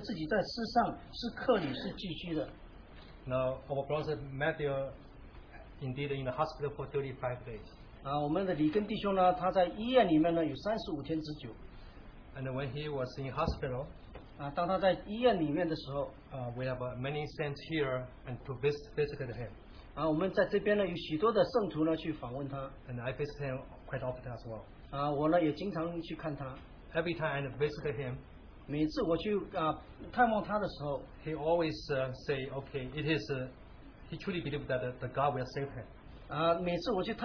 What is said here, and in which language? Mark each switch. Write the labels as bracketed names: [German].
[Chinese] 11-13节，这些人都是存着信心死的，并没有得到所应许的，却从远处望见且欢喜迎接，又承认自己在世上是客旅是寄居的。 [English] Now our brother Matthew, indeed, in the hospital for 35 days. [Chinese] 我们的李根弟兄呢，他在医院里面呢有35天之久。 [English] And when he was in hospital, [Chinese] 当他在医院里面的时候， [English] we have many saints here and to visit him. [Chinese] 我们在这边呢有许多的圣徒呢去访问他。 [English] And I visit him quite often as well. [Chinese] 我呢也经常去看他。 [English] Every time I visit him. [Chinese] 每次我去探望他的时候， [English] he always say, okay, it is, he truly believed that the God will save him.